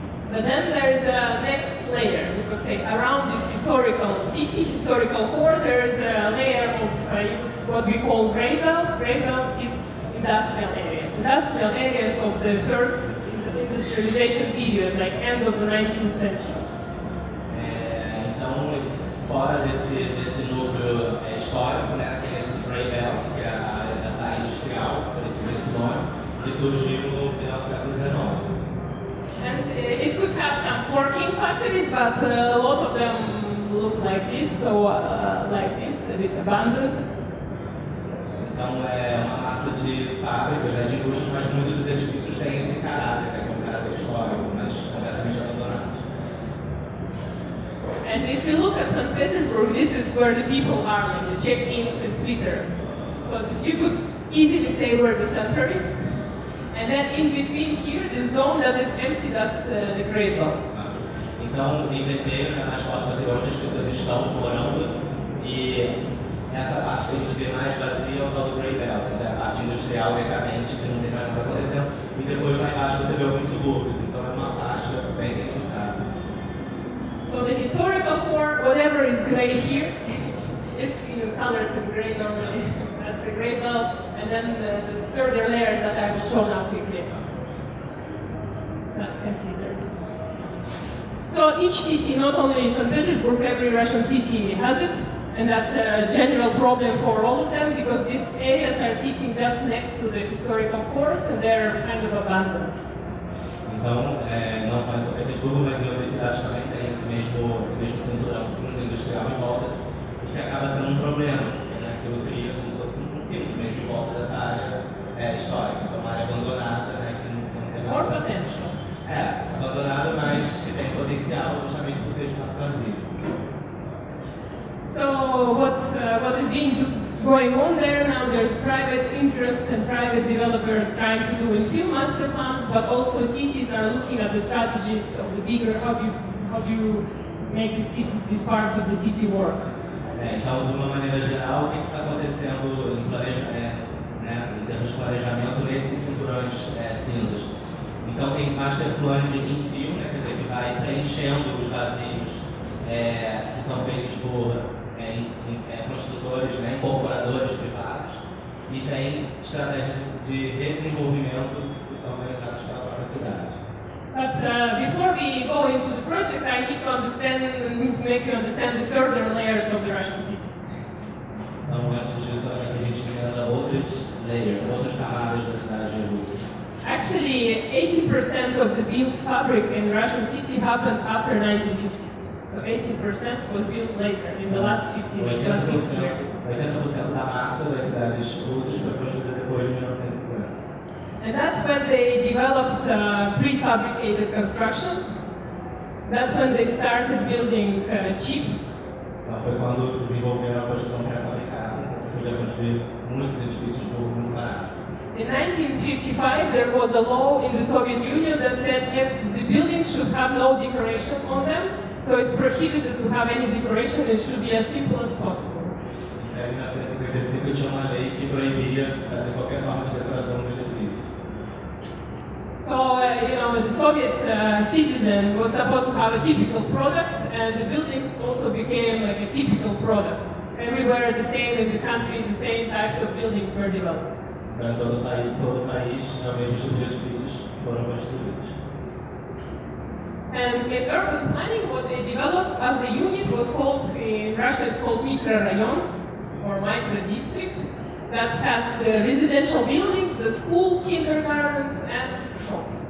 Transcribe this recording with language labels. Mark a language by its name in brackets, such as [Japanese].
[English] But then there is a next layer, you could say, around this historical city, historical core, there is a layer of what we call gray belt. Gray belt is industrial areas. Industrial areas of the first industrialization period, like end of the 19th century. [Portuguese] Então, fora desse núcleo histórico, né, tem esse gray belt, que é essa área industrial, por esse nome, que surgiu no final do século XIX. [English] And it could have some working factories, but a lot of them look like this, so like this, a bit abandoned. [Portuguese] Então é uma massa de fábricas, de custos, mas muitos dos edifícios têm esse caráter, como caráter histórico, mas completamente abandonado. [English] And if you look at St. Petersburg, this is where the people are, like the check-ins and Twitter. So you could easily say where the center is. And then in between here, the zone that is empty, that's the gray belt. [Portuguese] Então, em BP, nas costas vazias, onde as pessoas estão morando, e essa parte que a gente vê mais vazia é o gray belt, a parte industrial, decadente, que não tem mais nada, por exemplo. E depois, lá embaixo, você vê alguns subúrbios. Então, é uma faixa bem delimitada. [English] So, the historical core, whatever is gray here, it's colored in gray normally. That's the gray belt, and then the further layers that I will show now quickly. That's considered. So each city, not only St. Petersburg, every Russian city has it, and that's a general problem for all of them, because these areas are sitting just next to the historical cores, and they're kind of abandoned. [Portuguese] Então, não só em São Petersburgo, mas em outras cidades também tem esse mesmo cinturão cinza industrial em volta, e que acaba sendo um problema, né, que eu teria como se fosse um círculo meio que volta dessa área histórica, uma área abandonada, né, que não tem nada. [English] Or potential. [Portuguese] É, abandonada, mas que tem potencial justamente por ser espaço vazio. [English] So, what is being going on there now? There's private interest and private developers trying to do infill master plans, but also cities are looking at the strategies of the bigger, how do you make the city, these parts of the city work? [Portuguese] Então, de uma maneira geral, o que está acontecendo em planejamento, né, em termos de planejamento nesses cinturões cinzas? Então tem master plan de infill, né, quer dizer, que vai preenchendo os vazios que são feitos por construtores, né, incorporadores privados. E tem estratégias de desenvolvimento que são orientadas para a própria cidade. [English] But before we go into the project, I need to understand, need to make you understand the further layers of the Russian city. [Portuguese] Então, antes disso, a gente entenda outros layers, outras camadas da cidade de Rússia. [English] Actually, 80% of the built fabric in the Russian city happened after 1950s. So 80% was built later, in the last 50, last 60 years. [Portuguese] 80% da massa das cidades russas foi construída depois de 1950. [English] And that's when they developed prefabricated construction. That's when they started building cheap. [Portuguese] Então foi quando desenvolveram a construção pré-fabricada, que foi construir muitos edifícios de novo muito barato. [English] In 1955, there was a law in the Soviet Union that said the buildings should have no decoration on them, so it's prohibited to have any decoration, it should be as simple as possible. [Portuguese] Em 1955, tinha uma lei que proibia fazer qualquer forma de decoração no edifício. [English] So, you know, the Soviet citizen was supposed to have a typical product, and the buildings also became like a typical product. Everywhere the same in the country, the same types of buildings were developed. [Portuguese] Em todo o país, a mesma estrutura de edifícios foram construídos. [English] And in urban planning, what they developed as a unit was called, in Russia it's called mikrorayon, or micro district, that has the residential buildings, the school, kindergartens, and shop.